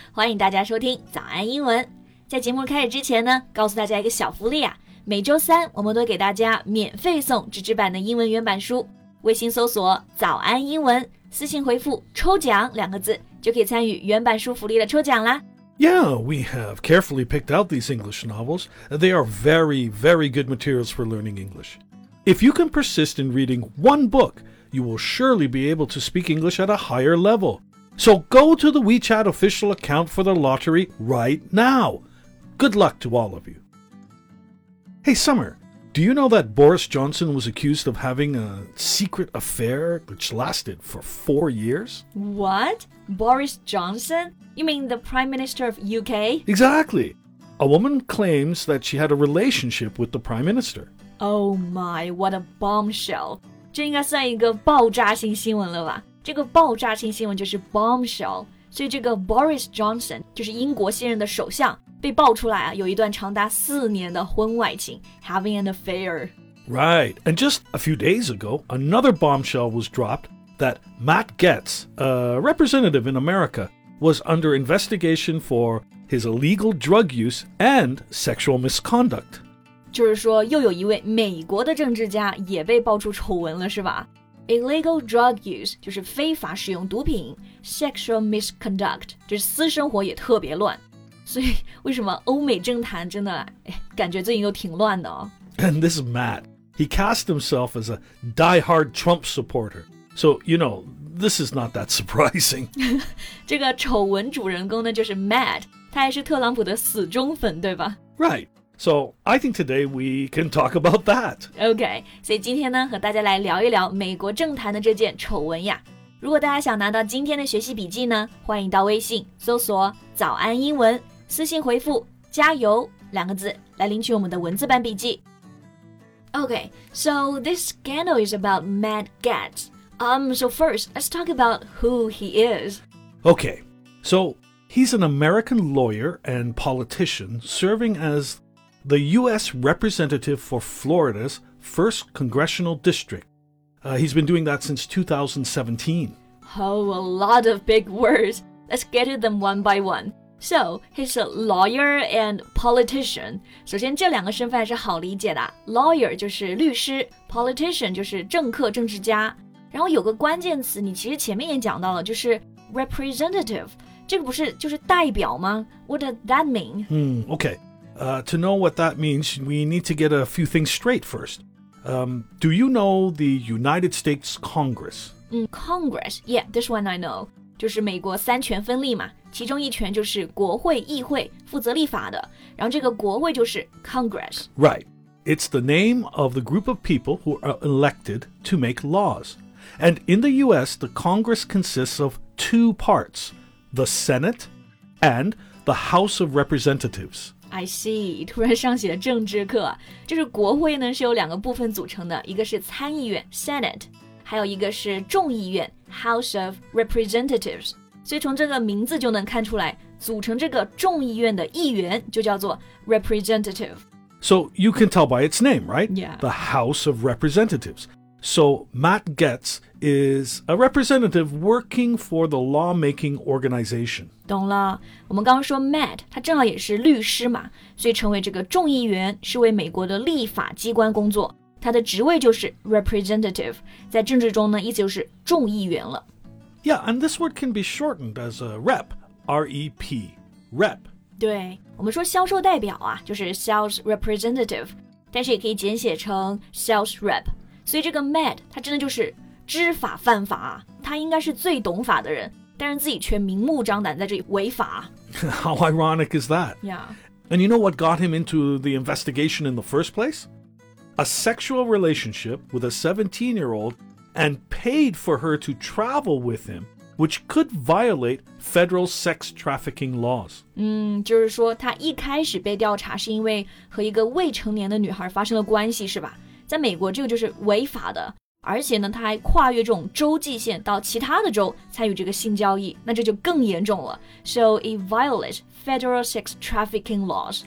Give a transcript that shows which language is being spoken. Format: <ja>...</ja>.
<zh>欢迎大家收听早安英文。在节目开始之前呢，告诉大家一个小福利啊。每周三我们都给大家免费送纸质版的英文原版书。微信搜索早安英文，私信回复抽奖两个字，就可以参与原版书福利的抽奖啦。</zh> <en>Yeah, we have carefully picked out these English novels. They are very, very good materials for learning English. If you can persist in reading one book, you will surely be able to speak English at a higher level. So go to the WeChat official account for the lottery right now. Good luck to all of you. Hey, Summer, do you know that Boris Johnson was accused of having a secret affair which lasted for 4 years? What? Boris Johnson? You mean the Prime Minister of UK? Exactly. A woman claims that she had a relationship with the Prime Minister. Oh my, what a bombshell.</en> <zh>这应该算一个爆炸性新闻了吧？这个爆炸性新闻就是 bombshell. 所以这个 Boris Johnson, 就是英国现任的首相,被爆出来啊,有一段长达四年的婚外情,</zh> <en>having an affair. Right, and just a few days ago, another bombshell was dropped that Matt Gaetz, a representative in America,was under investigation for his illegal drug use and sexual misconduct.</en> <zh>就是说又有一位美国的政治家也被爆出丑闻了是吧?</zh> <en>Illegal drug use</en> <zh>就是非法使用毒品,</zh> <en>sexual misconduct</en> <zh>就是私生活也特别乱。所以为什么欧美政坛真的感觉最近又挺乱的哦?</zh> <en>And this is Matt. He cast himself as a diehard Trump supporter. So, you know,This is not that surprising.</en> <zh>这个丑闻主人公呢就是 Matt, 他还是特朗普的死忠粉对吧</zh> <en>Right, so I think today we can talk about that.</en> <zh>Okay, 所以今天呢和大家来聊一聊美国政坛的这件丑闻呀。如果大家想拿到今天的学习笔记呢，欢迎到微信搜索早安英文，私信回复加油两个字来领取我们的文字版笔记。</zh> <en>Okay, so this scandal is about Matt Gaetz. So first, let's talk about who he is. Okay, so he's an American lawyer and politician serving as the U.S. representative for Florida's 1st Congressional District. He's been doing that since 2017. Oh, a lot of big words. Let's get to them one by one. So, he's a lawyer and politician.</en> <zh>首先这两个身份还是好理解的。Lawyer 就是律师 ,politician 就是政客政治家。然后有个关键词你其实前面也讲到了就是 representative 这个不是就是代表吗</zh> <en>What does that mean? To know what that means we need to get a few things straight first Do you know the United States Congress? Congress, yeah, this one I know</en> <zh>就是美国三权分立嘛其中一权就是国会议会负责立法的然后这个国会就是 Congress</zh> <en>Right, it's the name of the group of people who are elected to make lawsAnd in the U.S., the Congress consists of two parts, the Senate and the House of Representatives. I see.</en> <zh>突然上起了政治课。就是国会呢是由两个部分组成的，一个是参议院 Senate， 还有一个是众议院 House of Representatives。所以从这个名字就能看出来，组成这个众议院的议员就叫做 Representative.</zh> <en>So you can tell by its name, right? Yeah. The House of Representatives. So Matt Gaetz is a representative working for the lawmaking organization.</en> <zh>懂了，我们刚刚说 Matt, 他正好也是律师嘛，所以成为这个众议员是为美国的立法机关工作。他的职位就是 representative, 在政治中呢，意思就是众议员了。</zh> <en>Yeah, and this word can be shortened as a rep, R-E-P, rep.</en> <zh>对，我们说销售代表啊，就是 sales representative, 但是也可以简写成 sales rep. 所以这个 Matt, 他真的就是知法犯法他应该是最懂法的人但是自己却明目张胆在这里违法。</zh> <en>How ironic is that? Yeah. And you know what got him into the investigation in the first place? A sexual relationship with a 17-year-old and paid for her to travel with him, which could violate federal sex trafficking laws.</en> <zh>就是说他一开始被调查是因为和一个未成年的女孩发生了关系是吧? 在美国这个就是违法的而且呢他还跨越这种州际线到其他的州参与这个性交易那这就更严重了</zh> <en>So it violates federal sex trafficking laws</en>